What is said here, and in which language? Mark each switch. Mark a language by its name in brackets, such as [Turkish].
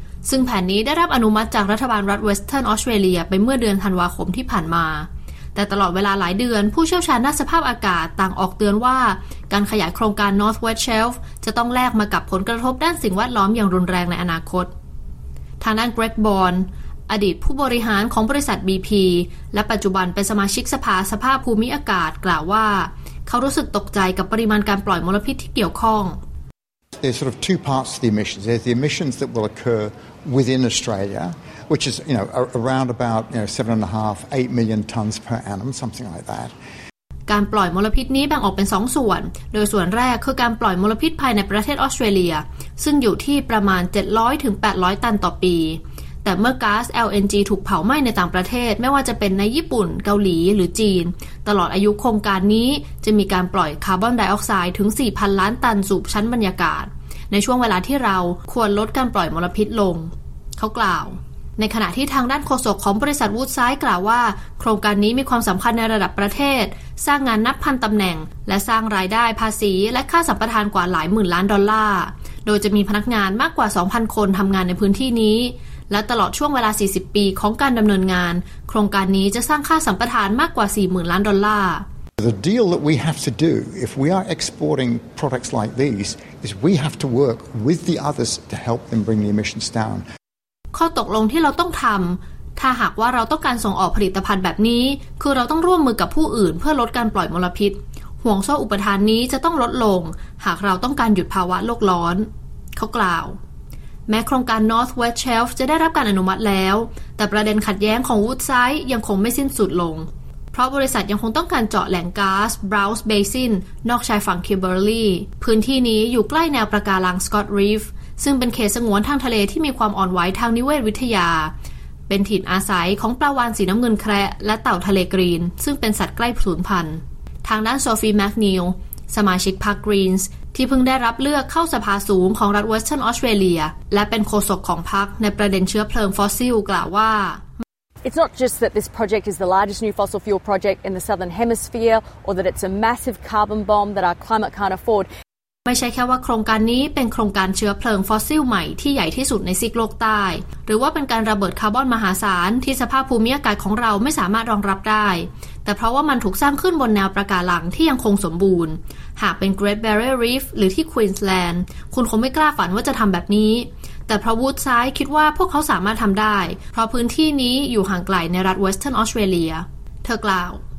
[Thai] ซึ่งแผนนี้ได้รับอนุมัติจากรัฐบาลรัฐ Western Australia ไปเมื่อเดือนธันวาคมที่ผ่านมาแต่ตลอดเวลาหลายเดือนผู้เชี่ยวชาญด้านสภาพอากาศต่างออกเตือนว่าการขยายโครงการ Northwest Shelf จะต้องแลกมากับผลกระทบด้านสิ่งแวดล้อมอย่างรุนแรงในอนาคตทางด้าน Greg Bourne อดีตผู้บริหารของบริษัท BP และปัจจุบันเป็นสมาชิกสภาสภาพภูมิอากาศกล่าวว่าเขารู้สึกตกใจกับปริมาณการปล่อยมลพิษที่เกี่ยวข้อง [English] There's sort of two parts to the emissions. There's the emissions that will occur within Australia, which is, you know, around about, you know, 7.5-8 million tons per annum, something like that. [Thai] การปล่อยมลพิษนี้แบ่งออกเป็น2ส่วนโดยส่วนแรกคือการปล่อยมลพิษภายในประเทศออสเตรเลียซึ่งอยู่ที่ประมาณ700ถึง800ตันต่อปีแต่เมื่อก๊าซ LNG ถูกเผาไหม้ในต่างประเทศไม่ว่าจะเป็นในญี่ปุ่นเกาหลีหรือจีนตลอดอายุโครงการนี้จะมีการปล่อยคาร์บอนไดออกไซด์ถึง 4,000 ล้านตันสู่ชั้นบรรยากาศในช่วงเวลาที่เราควรลดการปล่อยมลพิษลง เขากล่าวในขณะที่ทางด้านโฆษกของบริษัท Woodside กล่าวว่าโครงการนี้มีความสำคัญในระดับประเทศสร้างงานนับพันตำแหน่งและสร้างรายได้ภาษีและค่าสัมปทานกว่าหลายหมื่นล้านดอลลาร์โดยจะมีพนักงานมากกว่า 2,000 คนทำงานในพื้นที่นี้และตลอดช่วงเวลา40ปีของการดำเนินงานโครงการนี้จะสร้างค่าสัมปทานมากกว่า 40,000 ล้านดอลลาร์ [English] The deal that we have to do if we are exporting products like these is we have to work with the others to help them bring the emissions down [Thai] ข้อตกลงที่เราต้องทำถ้าหากว่าเราต้องการส่งออกผลิตภัณฑ์แบบนี้คือเราต้องร่วมมือกับผู้อื่นเพื่อลดการปล่อยมลพิษห่วงโซ่อุปทานนี้จะต้องลดลงหากเราต้องการหยุดภาวะโลกร้อนเขากล่าว แม้โครงการ Northwest Shelf จะได้รับการอนุมัติแล้วแต่ประเด็นขัดแย้งของ Woodside ยังคงไม่สิ้นสุดลงเพราะบริษัทยังคงต้องการเจาะแหล่งก๊าซ Browse Basin นอกชายฝั่ง Kimberley พื้นที่นี้อยู่ใกล้แนวปะการัง Scott Reef ซึ่งเป็นเขตสงวนทางทะเลที่มีความอ่อนไหวทางนิเวศวิทยา เป็นถิ่นอาศัยของปลาวาฬสีน้ำเงินแคระและเต่าทะเลกรีนซึ่งเป็นสัตว์ใกล้สูญพันธุ์ทางด้าน Sophie McNeilสมาชิกพรรค Greens ที่เพิ่งได้รับเลือกเข้าสภาสูงของรัฐ Western Australia และเป็นโฆษกของพรรคในประเด็นเชื้อเพลิงฟอสซิลกล่าวว่า [English] It's not just that this project is the largest new fossil fuel project in the southern hemisphere or that it's a massive carbon bomb that our climate can't afford [Thai] ไม่ ม่ใช่แค่ว่าโครงการนี้เป็นโครงการเชื้อเพลิงฟอสซิลใหม่ที่ใหญ่ที่สุดในซีกโลกใต้หรือว่าเป็นการระเบิดคาร์บอนมหาศาลที่สภาพภูมิอากาศของเราไม่สามารถรองรับได้แต่เพราะว่ามันถูกสร้างขึ้นบนแนวปะการังที่ยังคงสมบูรณ์หากเป็น Great Barrier Reef หรือที่ควีนส์แลนด์คุณคงไม่กล้าฝันว่าจะทำแบบนี้แต่พระวูดซายคิดว่าพวกเขาสามารถทำได้เพราะพื้นที่นี้อยู่ห่างไกลในรัฐเวสเทิร์นออสเตรเลียเธอกล่าว